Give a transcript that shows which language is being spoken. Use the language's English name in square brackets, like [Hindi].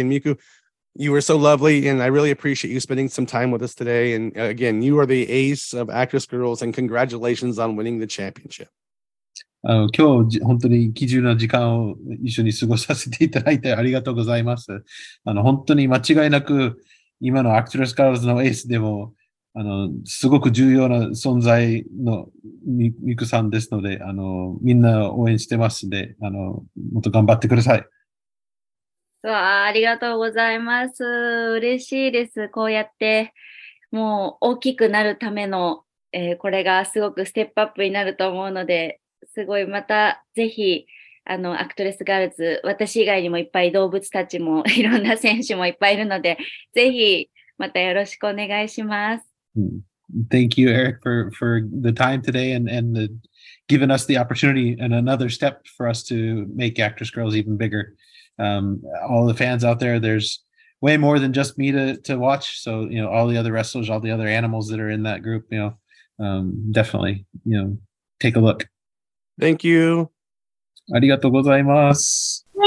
[English] And Miku, you were so lovely, and I really appreciate you spending some time with us today. And again, you are the ace of Actwres Girls, and congratulations on winning the championship. [Japanese] 今日本当に貴重な時間を一緒に過ごさせていただいてありがとうございます。本当に間違いなく今の Actwres Girls のエースでもすごく重要な存在のミクさんですので、みんな応援してますので、もっと頑張ってください。うわ、ありがとうございます。嬉しいです。こうやって、もう大きくなるための、これがすごくステップアップになると思うので、すごい、またぜひ、Actwres Girls、私以外にもいっぱい動物たちも、いろんな選手もいっぱいいるので、ぜひ、またよろしくお願いします。 [English] Thank you, Eric, for the time today and the, giving us the opportunity and another step for us to make Actwres Girls even bigger. All the fans out there, there's way more than just me to watch. So, all the other wrestlers, all the other animals that are in that group, definitely, take a look. Thank you. [Japanese] ありがとうございます。